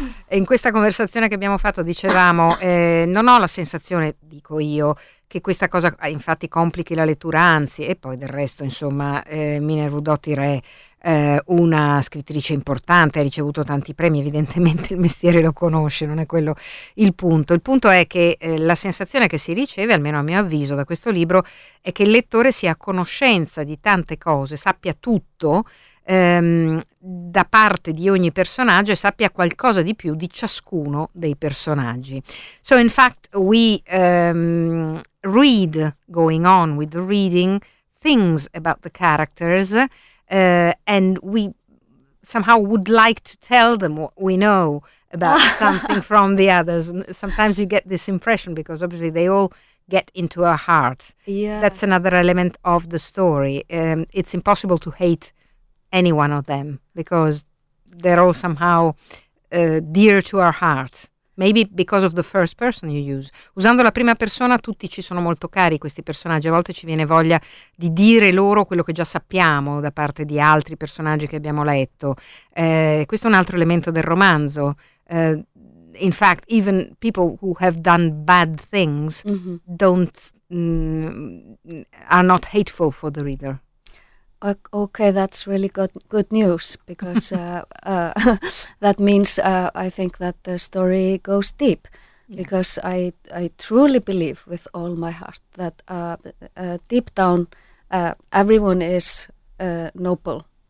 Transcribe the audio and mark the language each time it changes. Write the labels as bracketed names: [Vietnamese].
[Italian] In questa conversazione che abbiamo fatto dicevamo, non ho la sensazione, dico io, che questa cosa infatti complichi la lettura, anzi, e poi del resto, insomma, Mine Rudotti Re, una scrittrice importante, ha ricevuto tanti premi, evidentemente il mestiere lo conosce, non è quello il punto. Il punto è che la sensazione che si riceve, almeno a mio avviso, da questo libro, è che il lettore sia a conoscenza di tante cose, sappia tutto da parte di ogni personaggio e sappia qualcosa di più di ciascuno dei personaggi. [English] So in fact we read, going on with the reading, things about the characters, and we somehow would like to tell them what we know about something from the others. And sometimes you get this impression because obviously they all get into our heart. Yes. That's another element of the story. It's impossible to hate any one of them because they're all somehow dear to our heart. Maybe because of the first person you use. [Italian] Usando la prima persona tutti ci sono molto cari questi personaggi, a volte ci viene voglia di dire loro quello che già sappiamo da parte di altri personaggi che abbiamo letto. Questo è un altro elemento del romanzo. [English] In fact, even people who have done bad things mm-hmm. are not hateful for the reader. Okay, that's really good news, because that means I think that the story goes deep, because I truly believe with all my heart that deep down everyone is noble.